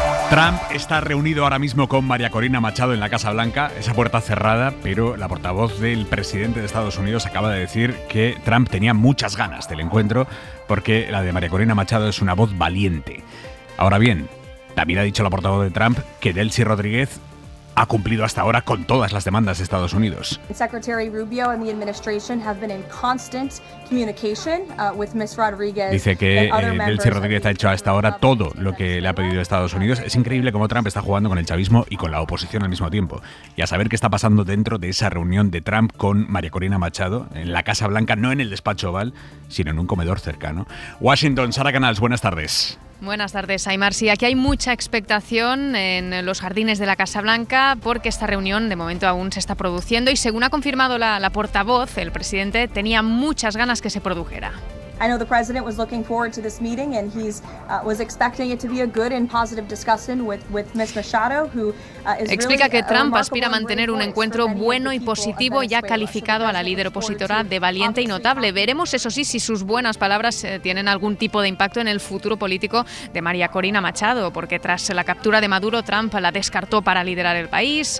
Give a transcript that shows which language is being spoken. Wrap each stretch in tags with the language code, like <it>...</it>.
<es>Trump está reunido ahora mismo con María Corina Machado en la Casa Blanca, esa puerta cerrada, pero la portavoz del presidente de Estados Unidos acaba de decir que Trump tenía muchas ganas del encuentro porque la de María Corina Machado es una voz valiente. Ahora bien, también ha dicho la portavoz de Trump que Delcy Rodríguez ha cumplido hasta ahora con todas las demandas de Estados Unidos.</es> <en>Secretary Rubio and the administration have been in constant communication with Ms. Rodriguez.</en> <es>Dice que Delcy Rodríguez ha hecho hasta ahora todo lo que le ha pedido Estados Unidos. Es increíble cómo Trump está jugando con el chavismo y con la oposición al mismo tiempo. Y a saber qué está pasando dentro de esa reunión de Trump con María Corina Machado en la Casa Blanca, no en el despacho Oval, sino en un comedor cercano. Washington, Sara Canals, buenas tardes. Buenas tardes, Aymar. Sí, aquí hay mucha expectación en los jardines de la Casa Blanca porque esta reunión de momento aún se está produciendo y según ha confirmado la portavoz, el presidente tenía muchas ganas que se produjera.</es> <en>I know the president was looking forward to this meeting and he's was expecting it to be a good and positive discussion with Ms. Machado, who is</en> <es>explica que Trump aspira a mantener un encuentro bueno y positivo y ha calificado a la líder opositora de valiente y notable. Veremos, eso sí, si sus buenas palabras tienen algún tipo de impacto en el futuro político de María Corina Machado, porque tras la captura de Maduro, Trump la descartó para liderar el país.</es>